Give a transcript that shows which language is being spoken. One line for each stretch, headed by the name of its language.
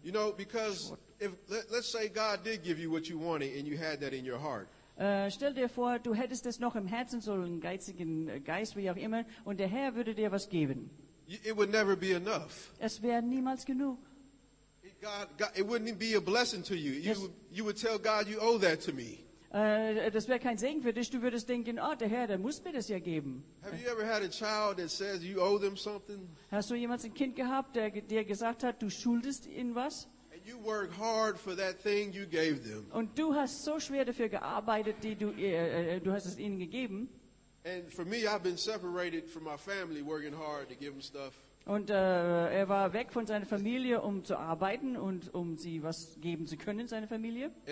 English: You know, because if let's say God did give you what you wanted and you had that in your heart.
German: Stell dir vor, du hättest das noch im Herzen, so einen geizigen Geist, wie auch immer, und der Herr würde dir was geben.
English: It would never be enough.
German: Es wäre niemals genug.
English: God, it wouldn't be a blessing to you. You would tell God you owe that to me.
German: Das wäre kein Segen für dich. Du würdest denken, oh, der Herr, der muss mir das ja geben.
English: Have you ever had a child that says you owe them something?
German: Hast du jemals ein Kind gehabt, der dir gesagt hat, du schuldest ihnen was?
English: And you work hard for that thing you gave them.
German: Und du hast so schwer dafür gearbeitet, die du hast es ihnen gegeben.
English: And for me, I've been separated from my family, working hard to give them stuff.
German: Und er war weg von seiner Familie, um zu arbeiten und um sie was geben zu können, seine Familie.